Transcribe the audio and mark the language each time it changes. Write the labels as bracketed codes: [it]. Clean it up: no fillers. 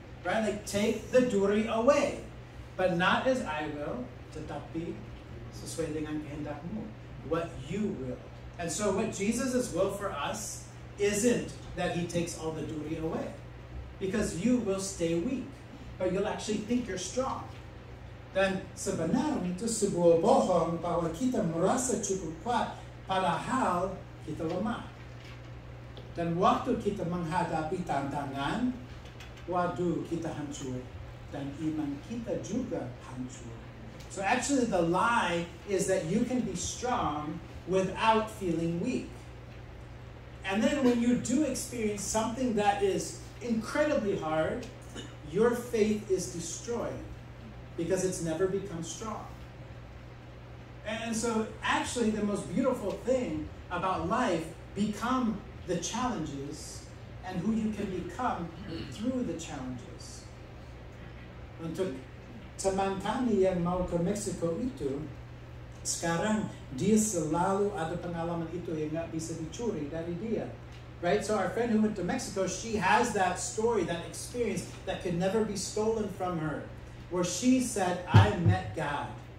[en] Right? Like, take the duri away. But not as I will, [id] tetapi sesuai dengan kehendakmu. [en] What you will. And so what Jesus' will for us isn't that he takes all the duri away. Because you will stay weak, but you'll actually think you're strong. [id] Dan sebenarnya itu sebuah bohong bahwa kita merasa cukup kuat padahal kita lemah. Dan waktu kita menghadapi tantangan, waduh, kita hancur. Dan iman kita juga hancur. [en] So actually the lie is that you can be strong without feeling weak. And then when you do experience something that is incredibly hard, your faith is destroyed because it's never become strong. And so actually the most beautiful thing about life become the challenges and who you can become through the challenges. [id] Untuk teman kami yang mau ke Mexico itu, sekarang dia selalu ada pengalaman itu yang nggak bisa dicuri dari dia. [en] Right? So our friend who went to Mexico, she has that story, that experience that can never be stolen from her, where she said, I met God.